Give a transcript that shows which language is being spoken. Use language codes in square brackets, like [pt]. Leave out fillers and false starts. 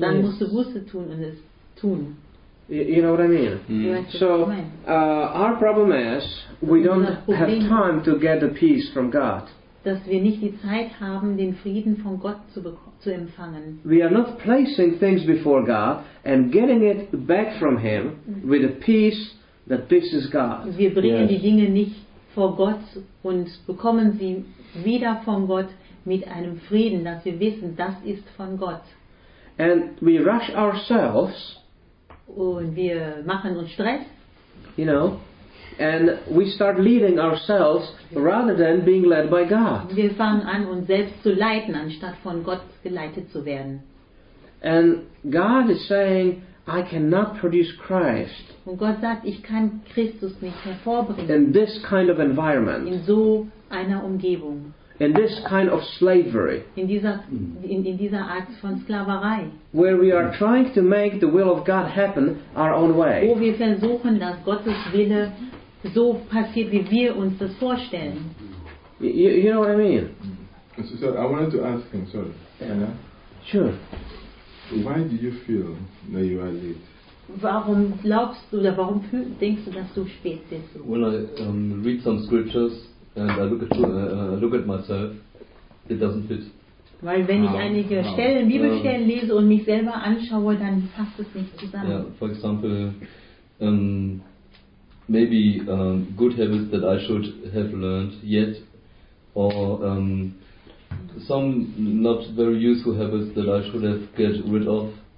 [de] Dann musst du Buße tun und es tun. [en] You know what I mean? So, our problem is, we don't have time to get the peace from God. [de] Dass wir nicht die Zeit haben, den Frieden von Gott zu empfangen. [en] We are not placing things before God and getting it back from Him with a peace that this is God. [de] Wir bringen die Dinge nicht vor Gott und bekommen sie wieder von Gott mit einem Frieden, dass wir wissen, das ist von Gott. [en] And we rush ourselves. [de] Und wir machen uns Stress. [en] You know. And we start leading ourselves rather than being led by God. [de] Wir fangen an, uns selbst zu leiten, anstatt von Gott geleitet zu werden. [en] And God is saying, I cannot produce Christ. [de] Und Gott sagt, ich kann Christus nicht hervorbringen. [en] In this kind of environment. [de] In so einer Umgebung. [en] In this kind of slavery. [de] In dieser Art von Sklaverei. [en] Where we are trying to make the will of God happen our own way. [de] Wo wir versuchen, dass Gottes Wille so passiert, wie wir uns das vorstellen. [en] You know what I mean? So I wanted to ask him, sorry. Yeah. Sure. Why do you feel that you are late? [de] Warum glaubst du, oder warum denkst du, dass du spät bist? [en] When I read some scriptures and I look at myself, it doesn't fit. [de] Weil wenn ich einige Stellen, Bibelstellen lese und mich selber anschaue, dann passt es nicht zusammen. [en] Yeah, for example, maybe good habits that I should have learned yet, or some not very useful habits that I should have get rid of.